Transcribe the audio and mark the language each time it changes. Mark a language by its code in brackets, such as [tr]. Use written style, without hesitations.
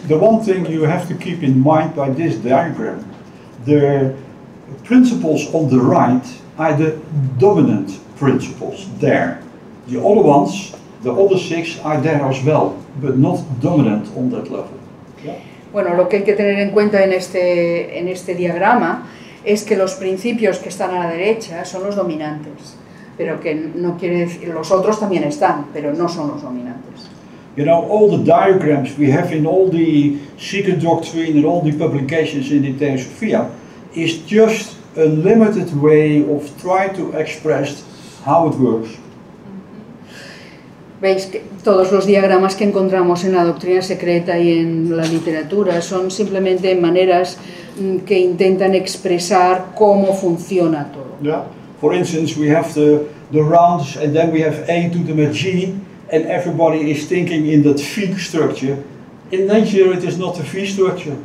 [en] The one thing you have to keep in mind by this diagram, the principles on the right are the dominant principles there. The other ones, the other six, are there as well, but not dominant on that level. Yeah. [es] Bueno, lo que hay que tener en cuenta en este diagrama es que los principios que están a la derecha son los dominantes, pero que no quiere decir, los otros también están, pero no son los dominantes. [en] You know, all the diagrams we have in all the secret doctrine and all the publications in the Theosophia is just a limited way of trying to express how it works. [es] Veis que todos los diagramas que encontramos en la doctrina secreta y en la literatura son simplemente maneras que intentan expresar cómo funciona todo. [en] Yeah. For instance, we have the rounds, and then we have A to the G, and everybody is thinking in that V structure. In nature, it is not a V structure.